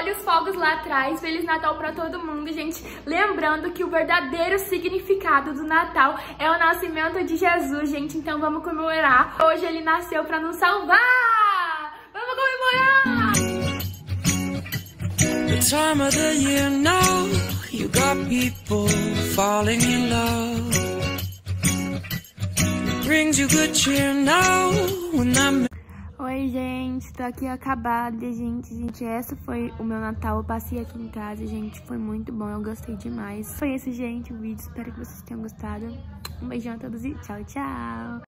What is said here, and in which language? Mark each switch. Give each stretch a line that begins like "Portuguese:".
Portuguese: Fogos lá atrás, Feliz Natal pra todo mundo, gente. Lembrando que o verdadeiro significado do Natal é o nascimento de Jesus, gente. Então vamos comemorar. Hoje ele nasceu pra nos salvar! Vamos comemorar!
English: The time of the year now, you got people falling in love. It brings you good cheer now, when I'm...
Portuguese: Oi, gente, tô aqui acabada, gente. Gente, essa foi o meu Natal. Eu passei aqui em casa, gente. Foi muito bom, eu gostei demais. Foi esse, gente, o vídeo. Espero que vocês tenham gostado. Um beijão a todos e tchau, tchau.